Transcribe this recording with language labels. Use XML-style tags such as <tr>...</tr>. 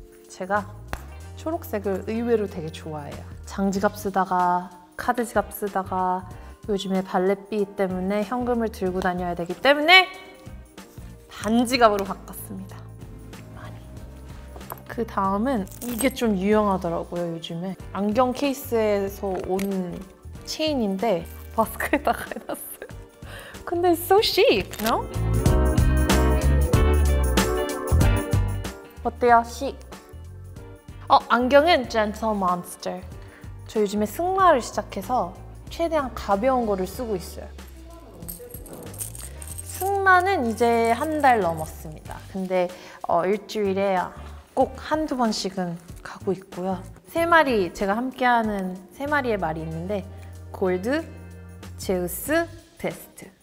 <ko>제가 초록색을 의외로 되게 좋아해요. 장지갑 쓰다가, 카드 지갑 쓰다가, 요즘에 발렛비 때문에 현금을 들고 다녀야 되기 때문에 반지갑으로 바꿨습니다. 많이. 그 다음은 이게 좀 유용하더라고요, 요즘에. 안경 케이스에서 온 체인인데 버스크에다가 해놨어요. 근데</ko> <en>it's so chic, no?</en> <ko>어때요, chic? 안경은 Gentle Monster. 저 요즘에 승마를 시작해서 최대한 가벼운 거를 쓰고 있어요. 승마는 이제 한 달 넘었습니다. 근데 일주일에 꼭 한두 번씩은 가고 있고요. 세 마리, 제가 함께하는 세 마리의 말이 있는데 골드, 제우스, 베스트.</ko>